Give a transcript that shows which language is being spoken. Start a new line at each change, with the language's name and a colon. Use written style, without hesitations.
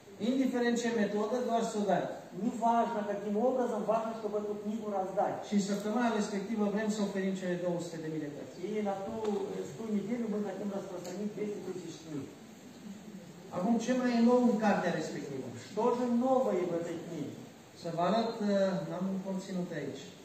Romanian: Indiferent ce metodă, doar să o dai. Nu
Russian: важно, каким образом, важно, чтобы эту книгу раздать.
Romanian: Și săptămâna respectivă vrem să oferim cele 200.000 de cărți.
Russian: И на ту, с ту неделю мы хотим распространить 200.000 книг.
Romanian: Acum, ce mai nou în cartea respectivă?
Russian: Что же новое в этой книге?
Romanian: Să vă arăt, n-am conținut aici.